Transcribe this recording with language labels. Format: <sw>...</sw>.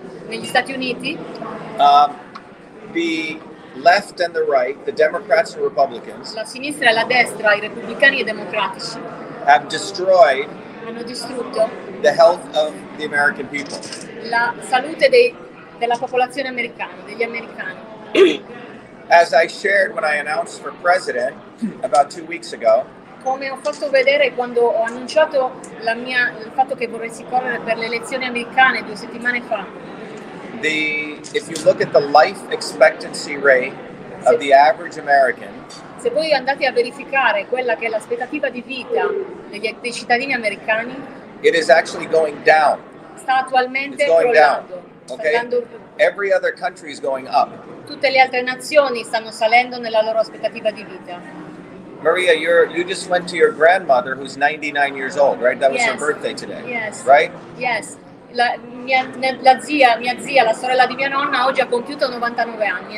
<en>In the United States, the left and the right, the Democrats and Republicans,</en> <it>la sinistra e la destra, I repubblicani e democratici,</it> <en>have destroyed,</en> <it>hanno distrutto,</it> <en>the health of the American people.</en> <it>La salute dei della popolazione americana, degli americani.</it> <en>As I shared when I announced for president about 2 weeks ago.</en> <it>Come ho fatto vedere quando ho annunciato il fatto che vorresti correre per le elezioni americane 2 settimane fa.</it> <en>If you look at the life expectancy rate of the average American.</en> <it>Se voi andate a verificare quella che è l'aspettativa di vita dei cittadini americani.</it> <en>It is actually going down.</en> <it>Sta attualmente crollando.</it> <en>Okay. Every other country is going up.</en> <it>Tutte le altre nazioni stanno salendo nella loro aspettativa di vita.</it> <en>Maria, you just went to your grandmother, who's 99 years old, right? That was her birthday today. Yes. Right? Yes.</en> <it>La zia, la sorella di mia nonna, oggi ha compiuto 99 anni.</it>